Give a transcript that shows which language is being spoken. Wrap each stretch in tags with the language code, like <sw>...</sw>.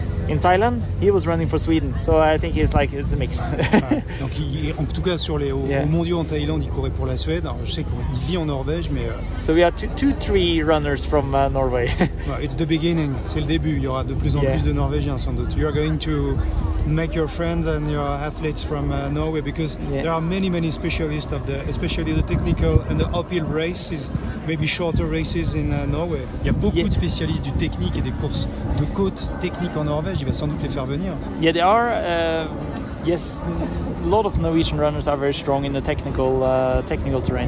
<en>in Thailand, he was running for Sweden. So I think it's like it's a mix.</en> <fr>Donc en tout cas sur les mondiaux en Thaïlande, il courait pour la Suède. Alors, je sais qu'il vit en Norvège, mais</fr> <en>so we are two, three runners from Norway. Well, it's the beginning.</en> <fr>C'est le début. Il y aura de plus en plus de Norvégiens sans doute.</fr> <en>You are going to make your friends and your athletes from Norway because there are many many specialists of the, especially the technical and the uphill races, maybe shorter races in Norway.</en> <fr>Il y a beaucoup de spécialistes du technique et des courses de côte technique en Norvège. Il va sans doute les faire venir.</fr> <en>Yeah, there are yes, a lot of Norwegian runners are very strong in the technical technical terrain.</en>